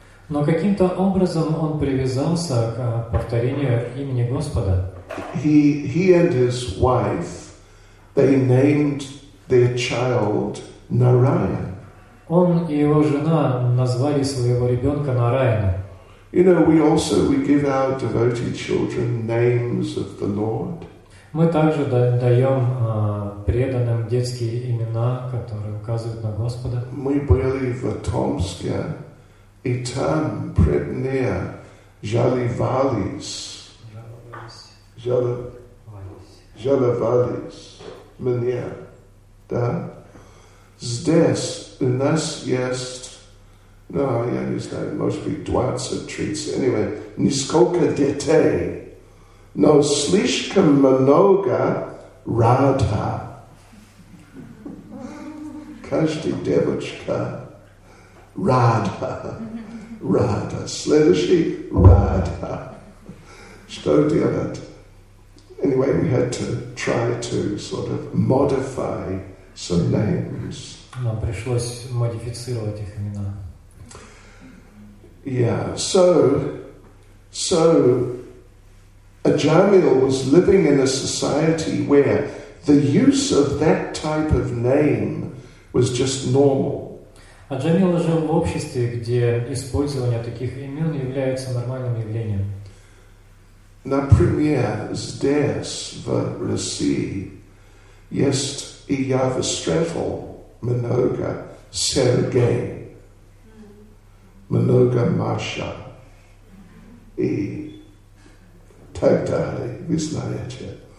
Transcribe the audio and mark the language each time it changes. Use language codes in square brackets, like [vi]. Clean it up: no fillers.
[ru] Но каким-то образом он привязался к повторению имени Господа. [en] He and his wife, they named their child Narayan. [ru] Он и его жена назвали своего ребенка Нараяна. [en] You know, we give our devoted children names of the Lord. [ru] Мы также даем преданным детские имена, которые указывают на Господа. Мы были в Томске. И там преднее жаловались мне, да? Здесь у нас есть, я не знаю, может быть, 20-30, anyway, нисколько детей, но слишком много Радха. Каждая девочка Радха. Radha, следующий Radha. Что делать? [en] Anyway, we had to try to sort of modify some names. [ru] Нам пришлось модифицировать их имена. [en] Yeah, so Ajamil was living in a society where the use of that type of name was just normal. [ru] Аджамил жил в обществе, где использование таких имен является нормальным явлением. Например, здесь, в России, есть и я встретил много Сергей, много Маша и так далее, вы знаете.